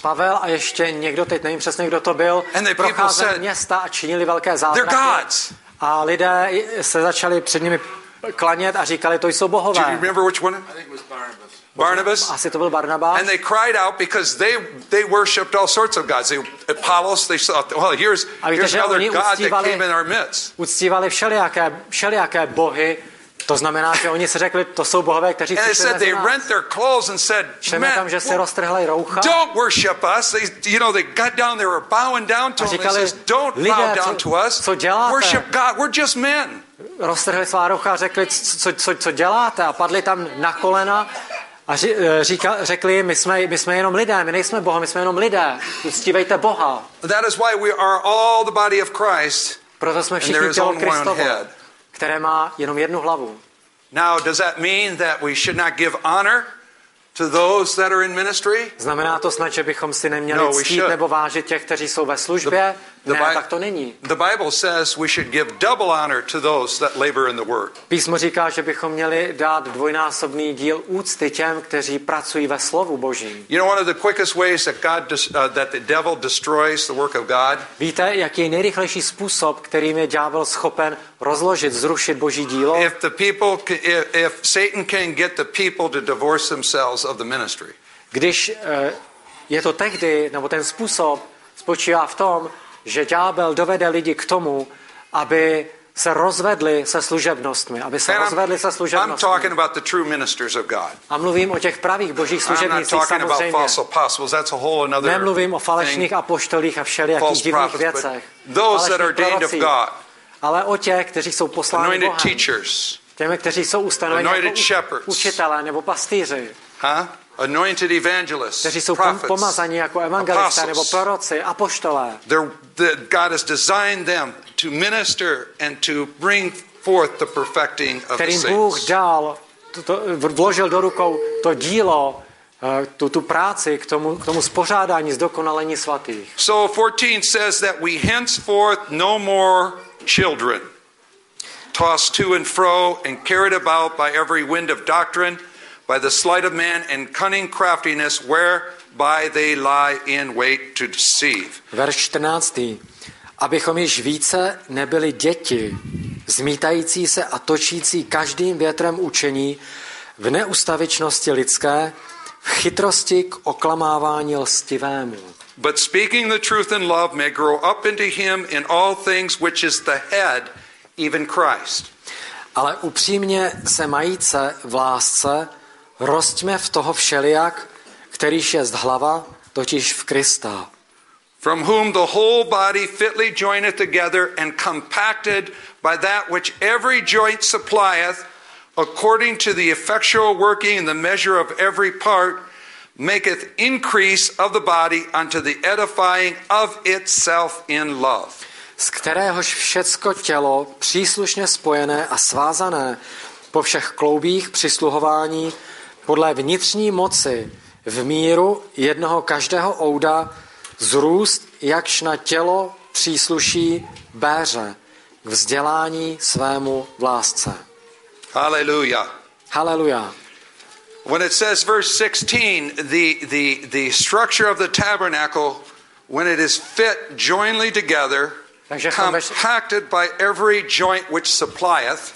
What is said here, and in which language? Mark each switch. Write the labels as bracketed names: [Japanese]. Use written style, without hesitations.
[Czech] Pavel a ještě někdo, teď nevím přesně, kdo to byl, procházeli města a činili velké zázraky. A lidé se začali před nimi klanět a říkali, to jsou bohové. [English] Do you remember which one? I think it was Barnabas. [Czech] Asi to byl Barnabas. [English] And they cried out because they worshipped all sorts of gods. Apollos, they thought, well, here's another god that came in our midst. [Czech] Uctívali všelijaké bohy. To znamená, že oni se řekli, to jsou bohové, kteří přišli mezi nás. [English] And they rent their clothes and said, [Czech] tam, že se roztrhli roucha. [English] Don't worship us. They, you know, they got down, they were bowing down to him. [Czech] Říkali, [English] don't [Czech] lidé, [English] bow down to us. [Czech] Co děláte? [English] Worship God. We're just men. [Czech] Roztrhli svá roucha a řekli, co děláte? A padli tam na kolena a řekli, my jsme jenom lidé, my nejsme Boha, my jsme jenom lidé. Uctívejte Boha. [English] That is why we are all the body of Christ. [Czech] Proto jsme všichni tělo Kristovo, které má jenom jednu hlavu. [English] Now, does that mean that we should not give honor to those that are in ministry? [Czech] Znamená to snad, že bychom si neměli ctít nebo vážit těch, kteří jsou ve službě? Ne, tak to není. [English] The Bible says we should give double honor to those that labor in the work. [Czech] Písmo říká, že bychom měli dát dvojnásobný díl úcty těm, kteří pracují ve slovu Božím. [English] You know, one of the quickest ways that God that the devil destroys the work of God? [Czech] Víte, jaký je nejrychlejší způsob, kterým je ďábel schopen rozložit, zrušit Boží dílo? [English] If Satan can get the people to divorce themselves of the ministry. [Czech] Když je to tehdy, nebo ten způsob spočívá v tom, že ďábel dovede lidi k tomu, aby se rozvedli se služebnostmi. [English] I'm talking about the true ministers of God. [Czech] A mluvím o těch pravých božích služebnících, samozřejmě. [English] About false apostles. That's a whole another thing. [Czech] Nemluvím o falešných apoštolích a všelijakých divných věcech. [English] Those that are ordained of God. [Czech] Ale o těch, kteří jsou posláni Bohem. [English] Anointed teachers. [Czech] Těmi, kteří jsou ustanoveni jako učitelé nebo pastýři. [English] Anointed evangelists, [Czech] kteří jsou pomazaní jako evangelisté nebo proroci, apoštolé. [English] God has designed them to minister and to bring forth the perfecting of the saints. [Czech] Kterým Bůh dal, vložil do rukou to dílo, tu práci k tomu spořádání, zdokonalení svatých. [English] So 14 says that we henceforth no more children, tossed to and fro and carried about by every wind of doctrine, by the sleight of man and cunning craftiness whereby they lie in wait to deceive. [Czech] Verš 14. Abychom již více nebyli děti, zmítající se a točící každým větrem učení v neustavičnosti lidské, chytrosti k oklamávání lstivému. [English] But speaking the truth in love may grow up into him in all things which is the head, even Christ. [Czech] Ale upřímně se majíce v lásce, rostme v toho všelijak, kterýž jest hlava, totiž v Krista. [English] From whom the whole body fitly joineth together and compacted by that which every joint supplieth, according to the effectual working and the measure of every part, maketh increase of the body unto the edifying of itself in love. [Czech] Z kteréhož všecko tělo, příslušně spojené a svázané po všech kloubích přisluhování, podle vnitřní moci, v míru jednoho každého ouda, zrůst, jakž na tělo přísluší béře, k vzdělání svému v lásce. [English] Hallelujah. Hallelujah. When it says verse 16, the structure of the tabernacle, when it is fit jointly together, compacted by every joint which supplieth.